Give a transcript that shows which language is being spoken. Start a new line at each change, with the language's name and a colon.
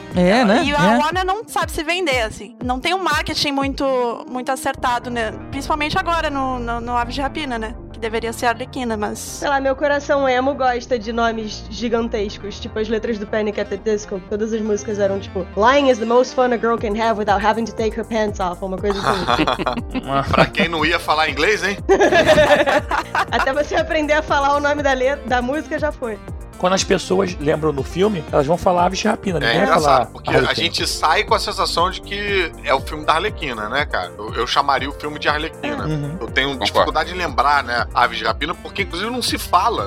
Portuguese: É, né? E a Warner não sabe se vender, assim. Não tem um marketing muito, muito acertado, né? Principalmente agora, no Aves de Rapina, né? Que deveria ser a Arlequina, mas... Sei lá, meu coração emo gosta de nomes gigantescos. Tipo, as letras do Panic at the Disco. Todas as músicas eram, tipo...
English: Lying is the most fun a girl can have without having to take her pants off.
Portuguese: Uma coisa assim. Pra quem não ia falar inglês, hein? Até você aprender a falar o nome da música, já foi. Quando as pessoas lembram no filme, elas vão falar Aves de Rapina, né? É engraçado, porque a gente sai com a sensação de que é o filme da Arlequina, né, cara? Eu chamaria o filme de Arlequina. Uhum. Eu tenho dificuldade em lembrar, né, Aves de Rapina, porque inclusive não se fala.